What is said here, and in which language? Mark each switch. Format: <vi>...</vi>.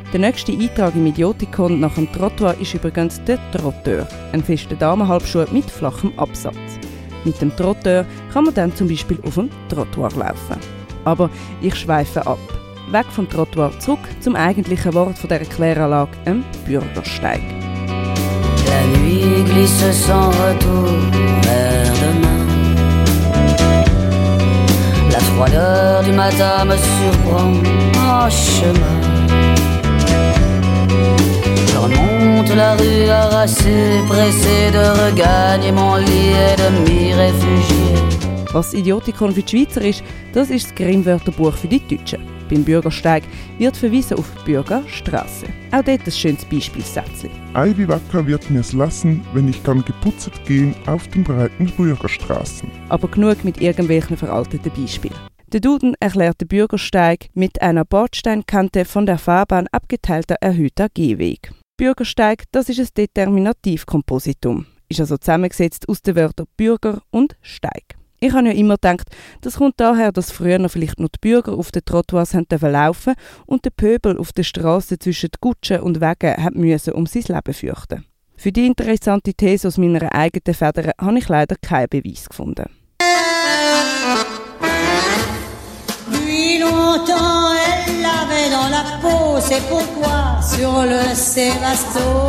<de>Der nächste Eintrag im Idiotikon nach dem Trottoir ist übrigens der Trotteur, ein fester Damenhalbschuh mit flachem Absatz. Mit dem Trotteur kann man dann zum Beispiel auf dem Trottoir laufen. Aber ich schweife ab. Weg vom Trottoir zurück zum eigentlichen Wort von dieser Kläranlage, einem Bürgersteig.</de> <fr>La nuit glisse sans retour vers demain. La froideur du matin me surprend en chemin. Je remonte la rue harassée, pressée de regagner mon lit et de m'y réfugier.</fr> <de>Was Idiotikon für die Schweizer ist, das ist das Grimm-Wörterbuch für die Deutschen. Beim Bürgersteig wird verwiesen auf Bürgerstraße. Auch dort ein schönes Beispielsatz. Ei wie wacker wird mir es lassen, wenn ich kann geputzt gehen auf den breiten Bürgerstraßen. Aber genug mit irgendwelchen veralteten Beispielen. Der Duden erklärt den Bürgersteig mit einer Bordsteinkante von der Fahrbahn abgeteilter erhöhter Gehweg. Bürgersteig, das ist ein Determinativkompositum. Ist also zusammengesetzt aus den Wörtern Bürger und Steig. Ich habe ja immer gedacht, das kommt daher, dass früher vielleicht nur die Bürger auf den Trottoirs haben laufen und der Pöbel auf der Strasse zwischen den Gutschen und Wegen hat müssen, um sein Leben fürchten. Für die interessante These aus meiner eigenen Feder habe ich leider keinen Beweis gefunden.</de> <fr>Wie longtemps elle avait dans la peau, c'est pourquoi sur le Sébasto.</fr>